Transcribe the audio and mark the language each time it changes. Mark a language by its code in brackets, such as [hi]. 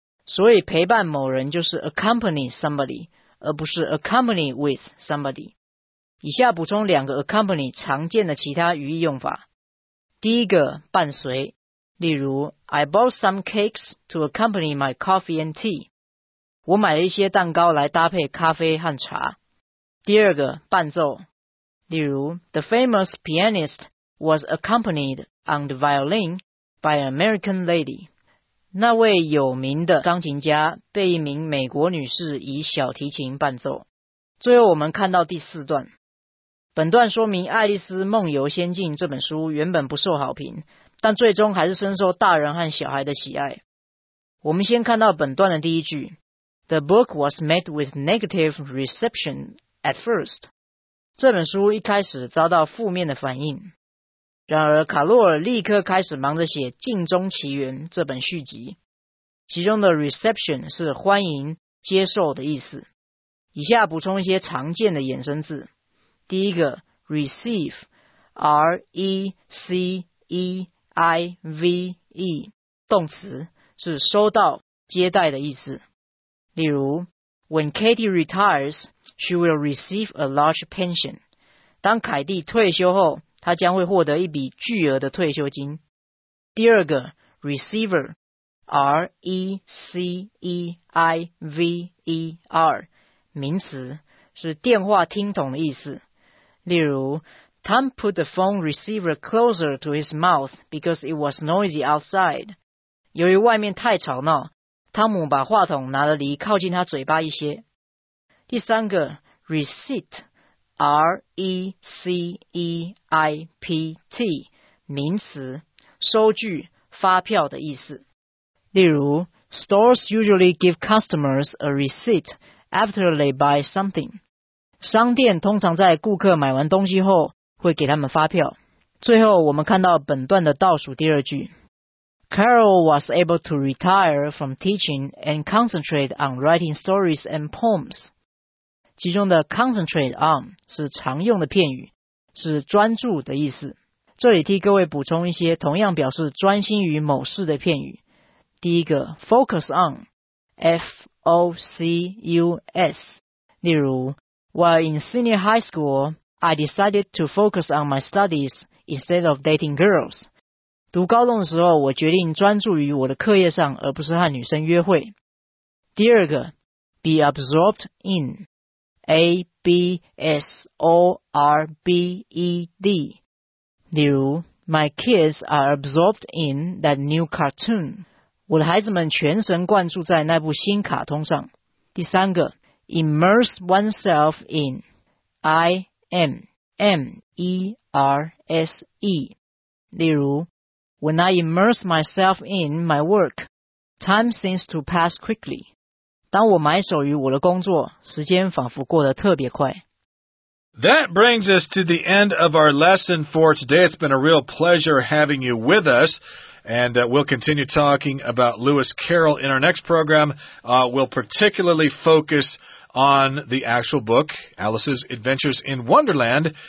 [zh] 所以陪伴某人就是 [en] accompany somebody， [zh] 而不是 [en] accompany with somebody。 [zh] 以下补充两个 accompany 常见的其他语义用法。第一个伴随， [en] 例如 I bought some cakes to accompany my coffee and tea. [zh] 我买了一些蛋糕来搭配咖啡和茶。第二个，伴奏。 [en] 例如 The famous pianist was accompanied on the violin by an American lady. [zh] 那位有名的钢琴家被一名美国女士以小提琴伴奏。最后我们看到第四段。本段说明爱丽丝梦游仙境这本书原本不受好评，但最终还是深受大人和小孩的喜爱。我们先看到本段的第一句， [en] The book was met with negative reception at first. [zh] 这本书一开始遭到负面的反应。然而卡洛尔立刻开始忙着写《镜中奇缘》这本续集，其中的 reception 是欢迎、接受的意思。以下补充一些常见的衍生字。第一个 receive, R-E-C-E-I-V-E, 动词，是收到、接待的意思。 [en] 例如 When Katie retires, she will receive a large pension. [zh] 当凯蒂退休后，她将会获得一笔巨额的退休金。第二个 receiver, R-E-C-E-I-V-E-R, 名词，是电话听筒的意思。 [en] 例如 Tom put the phone receiver closer to his mouth because it was noisy outside. [zh] 由于外面太吵闹，汤姆把话筒拿得离靠近他嘴巴一些。第三个 receipt, R-E-C-E-I-P-T, 名词，收据、发票的意思。 [en] 例如 Stores usually give customers a receipt after they buy something. [zh] 商店通常在顾客买完东西后会给他们发票。最后我们看到本段的倒数第二句。 [en] Carol was able to retire from teaching and concentrate on writing stories and poems. [zh] 其中的 concentrate on 是常用的片语，是专注的意思。这里替各位补充一些同样表示专心于某事的片语。第一个 [en] focus on, F-O-C-U-S, 例如While in senior high school, I decided to focus on my studies instead of dating girls. [zh] 读高中的时候，我决定专注于我的课业上，而不是和女生约会。第二个 [en] ,be absorbed in, A-B-S-O-R-B-E-D. 例如 ,my kids are absorbed in that new cartoon. [zh] 我的孩子们全神贯注在那部新卡通上。第三个 [en] Immerse oneself in, I-M-M-E-R-S-E. 例如 When I immerse myself in my work, time seems to pass quickly. [zh] 当我埋首于我的工作，时间仿佛过得特别快。 [en] That brings us to the end of our lesson for today. It's been a real pleasure having you with us. And we'll continue talking about Lewis Carroll in our next program. We'll particularly focus on the actual book, Alice's Adventures in Wonderland.